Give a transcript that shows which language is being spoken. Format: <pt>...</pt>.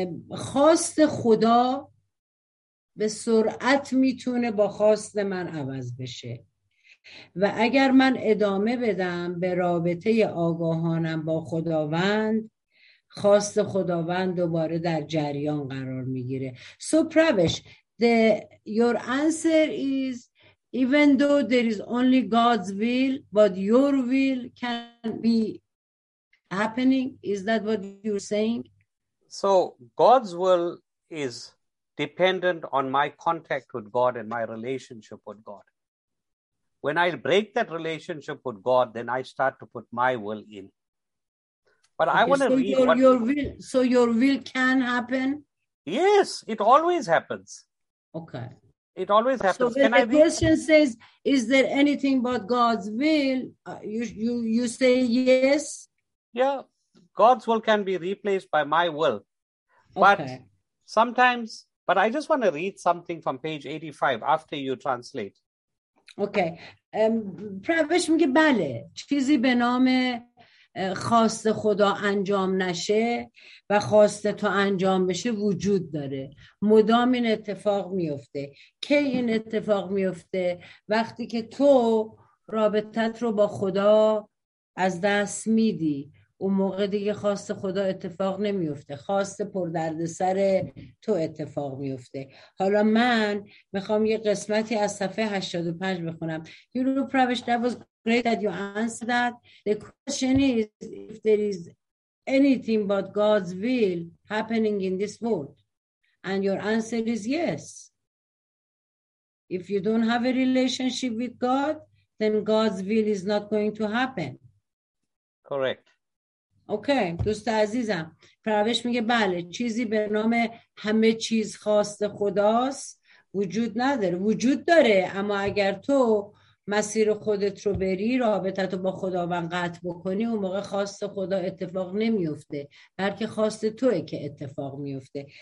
<fa>خواست خدا به سرعت میتونه با خواست من عوض بشه و اگر من ادامه بدم به رابطه آگاهانم با خداوند، خواست خداوند دوباره در جریان قرار میگیره.</fa> <en>So Pravesh, your answer is even though there is only God's will, but your will can be happening. Is that what you're saying? So God's will is dependent on my contact with God and my relationship with God. When I break that relationship with God, then I start to put my will in. But okay, I want to read So your will can happen? Yes, it always happens. Okay. It always happens. So the question says, is there anything but God's will? You say yes? Yeah, God's will can be replaced by my will. But okay. Sometimes, but I just want to read something from page 85 after you translate.</en> <fa>اوکی پروش میگه بله چیزی به نام خواست خدا انجام نشه و خواست تو انجام بشه وجود داره، مدام این اتفاق میفته. کی این اتفاق میفته؟ وقتی که تو رابطت رو با خدا از دست میدی، اون موقع دیگه خواست خدا اتفاق نمیفته، خواست پردردسر تو اتفاق میفته. حالا من میخوام یه قسمتی از صفحه 85 بخونم.</fa> <en>You know, Pravesh, that was great that you answered that. The question is if there is anything but God's will happening in this world. And your answer is yes. If you don't have a relationship with God, then God's will is not going to happen. Correct.</en> <fa>اوکی دوست عزیزم، پروش میگه بله چیزی به نام همه چیز خواست خداست وجود نداره. وجود داره، اما اگر تو مسیر خودت رو بری، رابطت رو با خداوند قطع بکنی، اون موقع خواست خدا اتفاق نمیفته، بلکه خواست توه که اتفاق میفته.</fa>